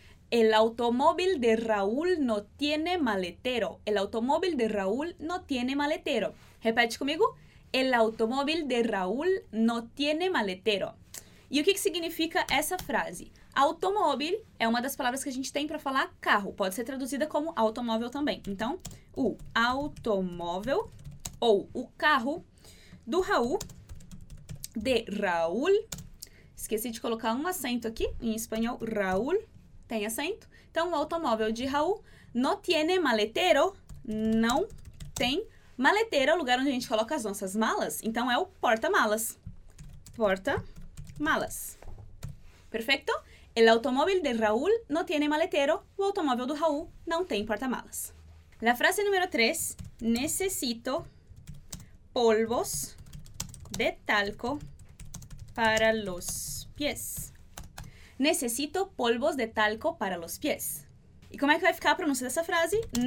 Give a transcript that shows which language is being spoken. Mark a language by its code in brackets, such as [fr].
[es] El automóvil de Raúl no tiene maletero. El automóvil de Raúl no tiene maletero. [pt] Repete comigo. [es] El automóvil de Raúl no tiene maletero. [pt] E o que significa essa frase? Automóvel é uma das palavras que a gente tem para falar carro. Pode ser traduzida como automóvel também. Então, o automóvel ou o carro do Raul, de Raúl. Esqueci de colocar um acento aqui em espanhol. Raúl tem acento. Então, o automóvel de Raúl [es] no tiene maletero, [pt] não tem maletero, é o lugar onde a gente coloca as nossas malas. Então, é o porta-malas. Porta-malas. Perfeito? [es] El automóvil de Raúl no tiene maletero. [pt] O automóvel do Raúl não tem porta-malas. [es] La frase número 3. Necesito polvos de talco para los pies. Necesito polvos de talco para los pies. [pt] E como é que vai ficar a pronúncia dessa frase?